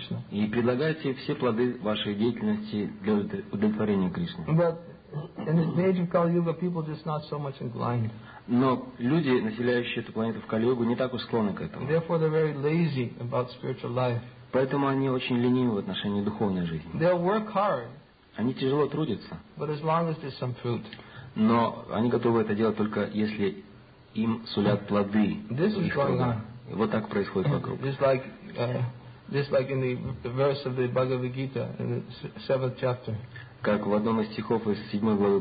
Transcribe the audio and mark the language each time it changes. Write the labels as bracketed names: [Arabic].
[Russian] И предлагайте все плоды вашей деятельности для удовлетворения Кришны. [English] In the age of Kali Yuga, people just not so much inclined. [Russian] Но люди, населяющие эту планету в Кали-Югу, не так уж склонны к этому. [English] Therefore, they're very lazy about spiritual life. [Russian] Поэтому они очень ленивы в отношении духовной жизни. [English] They'll work hard. [Russian] Они тяжело трудятся. [English] But as long as there's some fruit. [Russian] Но они готовы это делать только если им сулят плоды. [English] This is going on. [Russian] Вот так происходит вокруг. [English] Just like in the verse of the Bhagavad Gita in the 7th chapter. [Russian] Как в одном из стихов из 7 главы